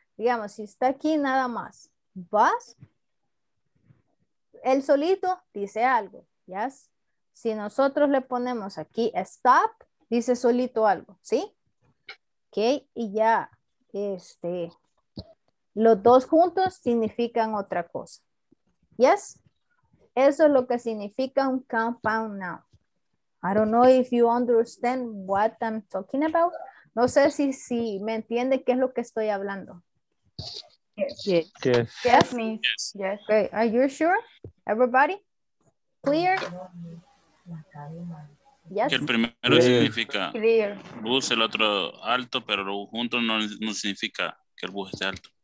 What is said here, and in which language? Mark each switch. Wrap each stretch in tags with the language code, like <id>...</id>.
<es>Digamos, si está aquí nada más. Bus. El solito dice algo. Yes. Si nosotros le ponemos aquí stop, dice solito algo, ¿sí? Ok, y ya, los dos juntos significan otra cosa. ¿Yes? Eso es lo que significa un compound noun.</es> <en>I don't know if you understand what I'm talking about.</en> <es>No sé si me entiende qué es lo que estoy hablando.</es> <en>Yes. Yes. Yes, me. Yes. Okay, are you sure? Everybody? Clear?</en> <es>Yes. El primero yes. Significa bus, el otro alto, pero juntos no significa que el bus esté alto.</es>